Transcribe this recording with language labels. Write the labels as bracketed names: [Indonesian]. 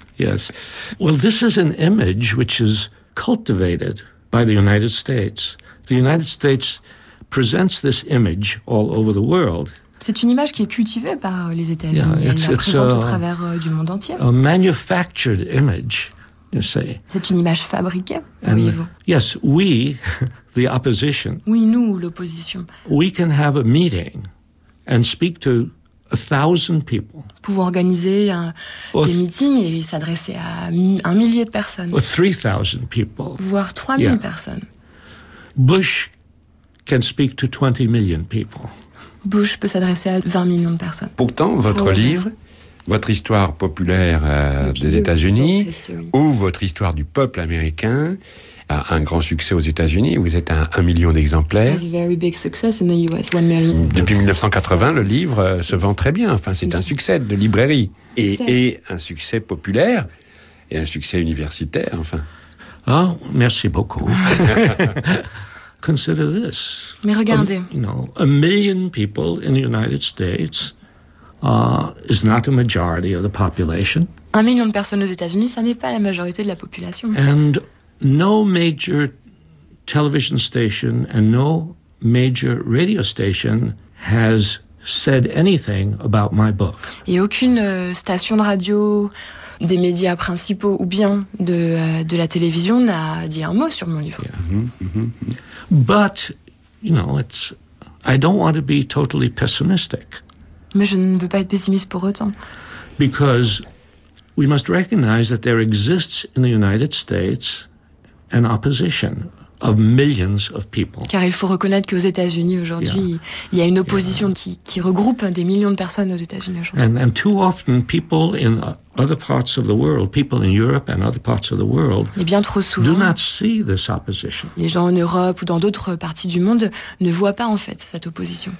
[English] Yes. Well, this is an image which is cultivated by the United States. The United States presents this image all over the world. [French] C'est une image qui est cultivée par les États-Unis et la présente au travers du monde entier. [English] A manufactured image. [French] C'est une image fabriquée, voyez-vous. [English] Yes, we, the opposition. [French] Oui, nous, l'opposition. [English] We can have a meeting and speak to 1,000 people. [French] Pouvons organiser des meetings et s'adresser à un millier de personnes. [English] Or 3,000 people. [French] Voire 3,000 personnes. [English] Bush can speak to 20 million people. [French] Bush peut s'adresser à 20 millions de personnes. Pourtant, votre livre, votre histoire populaire des États-Unis, ou votre histoire du peuple américain, a un grand succès aux États-Unis. Vous êtes à 1 million d'exemplaires. [English] A very big success in the US. 1 million. [French] Depuis 1980, le livre se vend très bien. Enfin, c'est un succès de librairie. Et un succès populaire, et un succès universitaire, enfin. Oh, merci beaucoup. [English] Consider this. [French] Mais regardez. [English] A million people in the United States is not a majority of the population. [French] 1 million de personnes aux États-Unis, ça n'est pas la majorité de la population. [English] And no major television station and no major radio station has said anything about my book. [French] Et aucune station de radio, des médias principaux ou bien de la télévision n'a dit un mot sur mon livre. [English] Yeah. But, it's. I don't want to be totally pessimistic. [French] Mais je ne veux pas être pessimiste pour autant. [English] Because we must recognize that there exists in the United States an opposition of millions of people. [French] Car il faut reconnaître qu'aux États-Unis aujourd'hui, il y a une opposition qui regroupe des millions de personnes aux États-Unis aujourd'hui. [English] And too often people in other parts of the world, people in Europe and other parts of the world, [French] et bien trop souvent, [English] do not see this opposition. [French] Les gens en Europe ou dans d'autres parties du monde ne voient pas en fait cette opposition.